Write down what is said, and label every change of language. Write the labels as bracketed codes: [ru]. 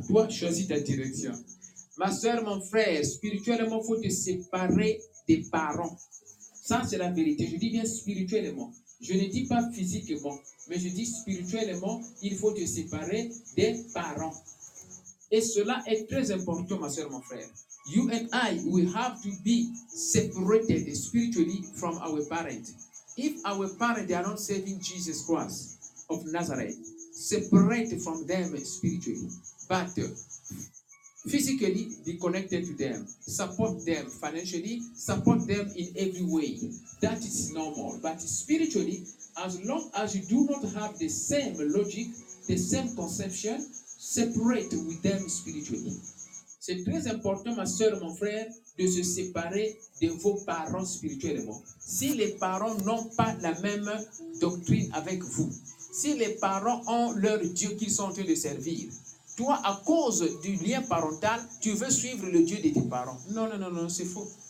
[fr] Toi, choisis ta direction. Ma soeur, mon frère, spirituellement, il faut te séparer des parents. Ça, c'est la vérité. Je dis bien spirituellement. Je ne dis pas physiquement, mais je dis spirituellement, il faut te séparer des parents. Et cela est très important, ma soeur, mon frère. [en] You and I, we have to be separated spiritually from our parents. If our parents are not saving Jesus Christ of Nazareth, separate from them spiritually, but physically be connected to them, support them financially, support them in every way. That is normal. But spiritually, as long as you do not have the same logic, the same conception, separate with them spiritually. [fr] C'est très important, ma soeur, mon frère, de se séparer de vos parents spirituellement. Si les parents n'ont pas la même doctrine avec vous, si les parents ont leur Dieu qu'ils sont en train de servir, toi, à cause du lien parental, tu veux suivre le Dieu de tes parents. Non, c'est faux.